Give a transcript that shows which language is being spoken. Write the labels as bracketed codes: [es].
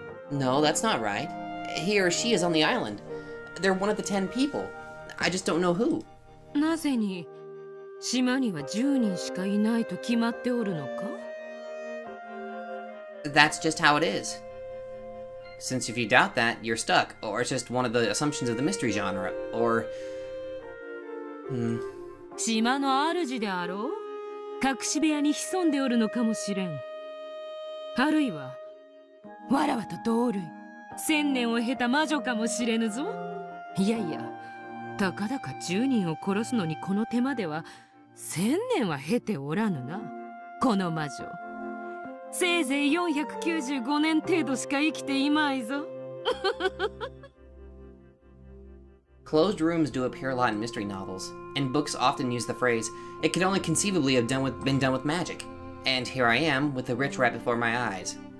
[en] No, that's not right. He or she is on the island. They're one of the 10 people. I just don't know who. [ja] なぜに、島には10人しかいないと決まっておるのか? [en] That's just how it is. Since if you doubt that, you're stuck, or it's just one of the assumptions of the mystery genre, or... Hmm... [ja] 島の主であろう? 隠し部屋に潜んでおるのかもしれん。あるいは、わらわと同類、千年を経た魔女かもしれぬぞ。いやいや、たかだか10人を殺すのにこの手間では、千年は経ておらぬな、この魔女。せいぜい495年程度しか生きていまいぞ。 [en] Closed rooms do appear a lot in mystery novels, and books often use the phrase, it could only conceivably have been done with magic. And here I am, with the rich right before my eyes.